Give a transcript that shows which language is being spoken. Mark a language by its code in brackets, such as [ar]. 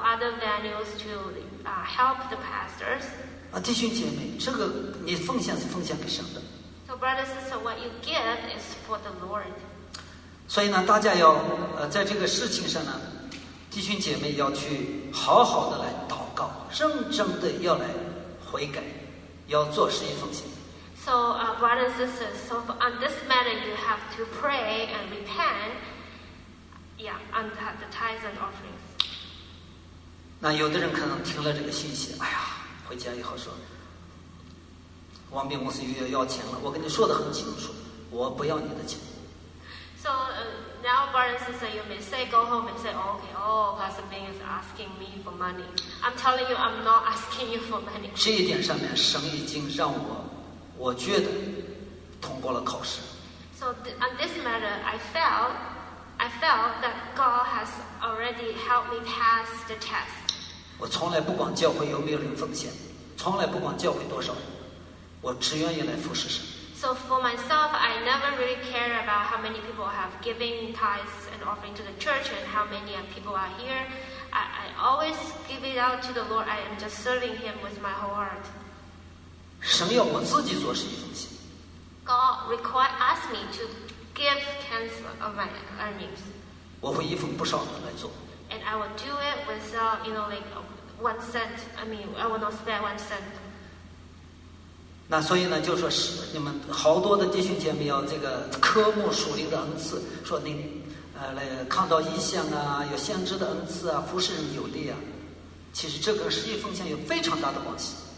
[en] other venues to help the pastors? [zh] 啊，弟兄姐妹，这个你奉献是奉献给神的。 [en] So brothers and sisters, what you give is for the Lord. [zh] 所以呢，大家要在这个事情上呢，弟兄姐妹要去好好的来祷告，认真的要来悔改，要做十一奉献。 [en] So, brothers and sisters, so on this matter, you have to pray and repent, yeah, on the tithes and offerings. [zh] 那有的人可能听了这个信息，哎呀，回家以后说，王斌牧师又要要钱了。我跟你说得很清楚，我不要你的钱。 [en] So, now, brothers and sisters, you may say, go home and say, okay, oh, Pastor Bing is asking me for money. I'm telling you, I'm not asking you for money. [zh] 这一点上面，神已经让我。我觉得通过了考试。 [en] So on this matter, I felt that God has already helped me pass the test. [zh] 我从来不管教会有没有人奉献，从来不管教会多少人，我只愿意来服侍神。 [en] So for myself, I never really care about how many people have given tithes and offering to the church and how many people are here. I always give it out to the Lord. I am just serving Him with my whole heart. [zh] 神要我自己做十一奉献。 [en] God require ask me to give tens of my earnings. [zh] 我会一分不少的来做。 [en] And I will do it with, you know, like one cent. I mean, I will not spare one cent. [zh] 那所以呢，就说是你们好多的弟兄姐妹要这个科目属灵的恩赐，说您来看到异象啊，有先知的恩赐啊，服侍人有力啊，其实这个十一奉献有非常大的关系。